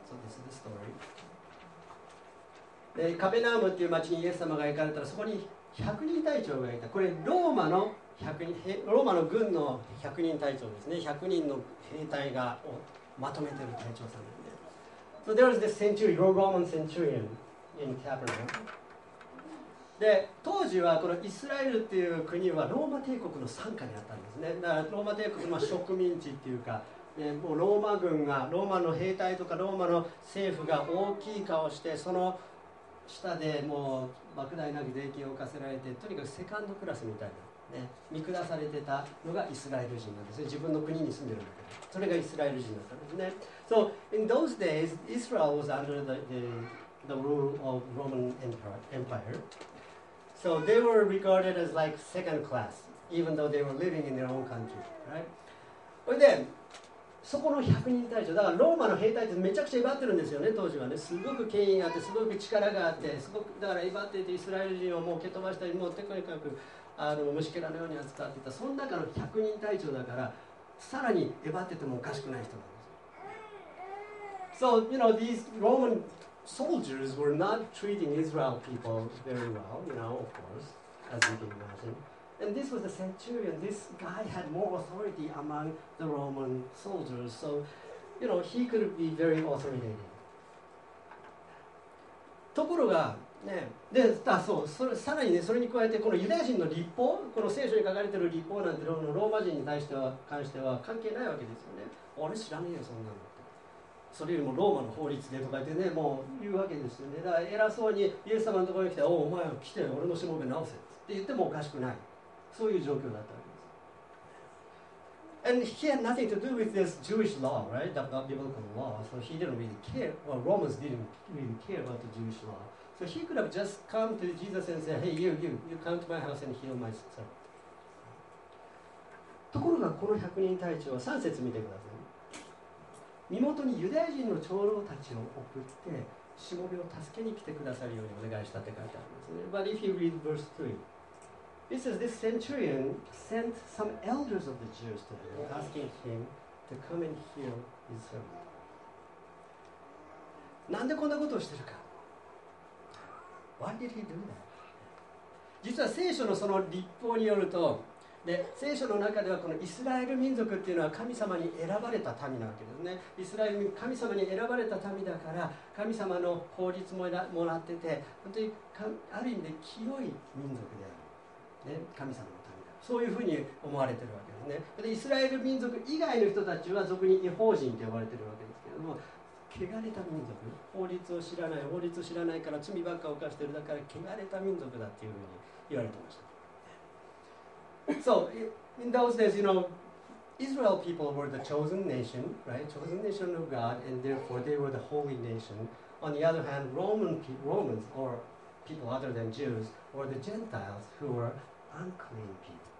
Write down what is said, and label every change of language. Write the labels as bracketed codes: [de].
[en] So this is the story。 [ja] でカペナウムという町にイエス様が行かれたら、そこに百人隊長がいた。これローマの軍の百人隊長ですね。百人の兵隊がをまとめている隊長さんです。 [en] So there was this centurion, Roman centurion in Capernaum. [ja] で、当時はこのイスラエルっていう国はローマ帝国の傘下にあったんですね。だからローマ帝国の植民地っていうか、ね、もうローマ軍が、ローマの兵隊とかローマの政府が大きい顔して、その下でもう莫大な税金を課せられて、とにかくセカンドクラスみたいな、ね、見下されてたのがイスラエル人なんですね。自分の国に住んでるんだけど、それがイスラエル人だったんですね。 [en] So in those days, Israel was under the rule of Roman Empire. So they were regarded as like second class, even though they were living in their own country, right? And then, [ja] そこの百人隊長、だからローマの兵隊ってめちゃくちゃ威張ってるんですよね、当時はね。すごく権威があって、すごく力があって、すごくだから威張っていて、イスラエル人をもう蹴飛ばしたり、もうとにかく虫けらのように扱っていた。その中の百人隊長だから、さらに威張っててもおかしくない人なんです。 [en] So, you know, these Roman soldiers were not treating Israel people very well, you know, of course, as you can imagine. And this was a centurion. This guy had more authority among the Roman soldiers. So, you know, he could be very authoritative. [ja] ところが、ね、で、あ、そう、それ、さらにね、それに加えて、このユダヤ人の律法、この聖書に書かれている律法なんて、ローマ人に対しては、関しては関係ないわけですよね。俺知らねえよ、そんなの。それよりもローマの法律でとか言ってね、もう言うわけですよね。だから偉そうにイエス様のところに来て、お前来て俺のしもべ直せって言ってもおかしくない、そういう状況だったわけです。 [en] And he had nothing to do with this Jewish law, right? The biblical law. So he didn't really care. Well, Romans didn't really care about the Jewish law. So he could have just come to Jesus and said, Hey, you come to my house and heal my son. [ja] ところがこの百人隊長は3節見てください。身元にユダヤ人の長老たちを送って、しもべを助けに来てくださるようにお願いしたって書いてあるんですね。 [en] But if you read verse 3, it says this centurion sent some elders of the Jews to him, asking him to come and heal his servant. [ja] なんでこんなことをしてるか。 [en] Why did he do that? [ja] 実は聖書のその律法によると、で聖書の中ではこのイスラエル民族っていうのは神様に選ばれた民なわけですね。イスラエル民、神様に選ばれた民だから、神様の法律ももらってて、本当にある意味で清い民族である、ね、神様の民だ、そういうふうに思われてるわけですね。でイスラエル民族以外の人たちは俗に異邦人と呼ばれてるわけですけども、汚れた民族、法律を知らないから罪ばっかり犯してる、だから汚れた民族だっていうふうに言われてました。 [en] So in those days, you know, Israel people were the chosen nation, right? Chosen nation of God, and therefore they were the holy nation. On the other hand, Romans or people other than Jews were the Gentiles who were unclean people.